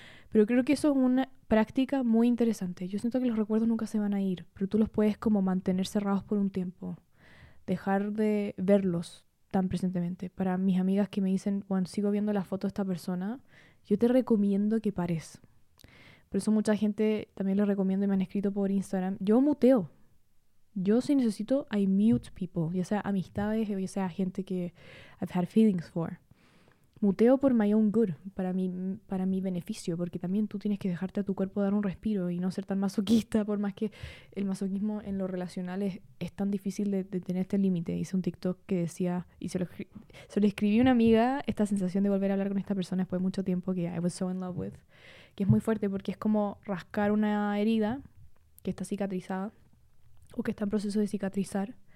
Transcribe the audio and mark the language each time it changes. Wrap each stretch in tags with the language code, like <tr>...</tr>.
<es>Pero creo que eso es una práctica muy interesante. Yo siento que los recuerdos nunca se van a ir, pero tú los puedes como mantener cerrados por un tiempo. Dejar de verlos tan presentemente. Para mis amigas que me dicen, bueno, sigo viendo la foto de esta persona, yo te recomiendo que pares. Por eso mucha gente también lo recomiendo y me han escrito por Instagram. Yo muteo. Yo si necesito,</es> <en>I mute people.</en> <es>Ya sea amistades o ya sea gente que</es> <en>I've had feelings for.</en> <es>Muteo por</es> <en>my own good,</en> <es>para mi beneficio, porque también tú tienes que dejarte a tu cuerpo dar un respiro y no ser tan masoquista, por más que el masoquismo en lo relacional es tan difícil de tener este límite. Hice un TikTok que decía, y se lo escribí a una amiga, esta sensación de volver a hablar con esta persona después de mucho tiempo que</es> <en>I was so in love with,</en> <es>que es muy fuerte porque es como rascar una herida que está cicatrizada o que está en proceso de cicatrizar.</es>